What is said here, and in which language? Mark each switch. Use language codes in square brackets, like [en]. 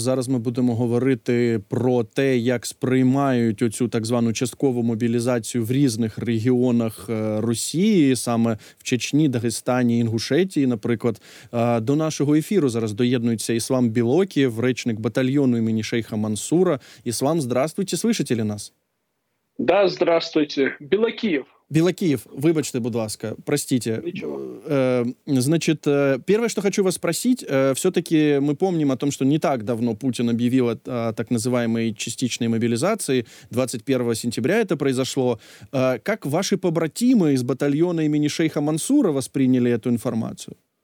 [uk] Зараз ми будемо говорити про те, як сприймають оцю так звану часткову мобілізацію в різних регіонах Росії, саме в Чечні, Дагестані, Інгушетії, наприклад. До нашого ефіру зараз доєднується Іслам Білоків, речник батальйону імені шейха Мансура. [ru] Іслам, здравствуйте, слышите ли нас? Да, здравствуйте. Білоків. [uk] Білоків, вибачте, будь ласка, простите. [ru] Первое, что хочу вас спросить, все-таки мы помним о том, что не так давно Путин объявил о так называемой частичной мобилизации, 21 сентября это произошло. Как ваши побратимы из батальона имени шейха Мансура восприняли эту информацию?